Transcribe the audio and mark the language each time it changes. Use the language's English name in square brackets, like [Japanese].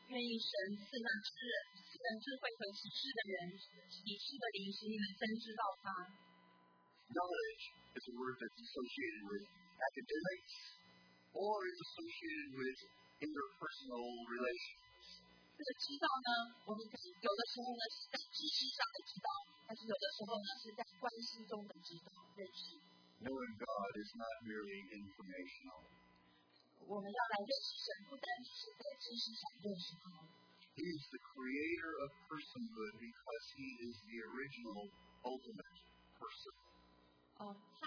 [English] Knowledge is a word that's associated with academics or is associated with interpersonal relations. [Chinese] 这个知道呢，我们可以有的时候呢是在知识上的知道，但是有的时候呢是在关系中的知道认识。 [English] Knowing God is not merely informational. [Chinese] 我们要来认识神，不单只是在知识上认识他。 [English] He is the creator of personhood because he is the original ultimate person.